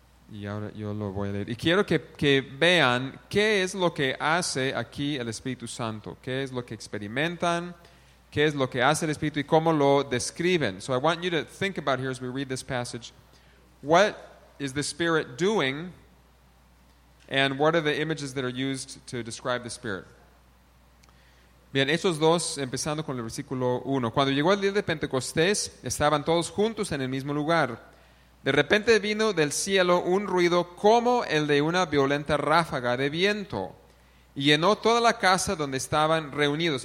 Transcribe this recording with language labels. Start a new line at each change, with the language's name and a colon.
Spanish: Y ahora yo lo voy a leer. Y quiero que vean qué es lo que hace aquí el Espíritu Santo. Qué es lo que experimentan, qué es lo que hace el Espíritu y cómo lo describen.
English: So I want you to think about here as we read this passage. What is the Spirit doing and what are the images that are used to describe the Spirit?
Spanish: Bien, Hechos 2, empezando con el versículo 1. Cuando llegó el día de Pentecostés, estaban todos juntos en el mismo lugar. De repente vino del cielo un ruido como el de una violenta ráfaga de viento y llenó toda la casa donde estaban reunidos.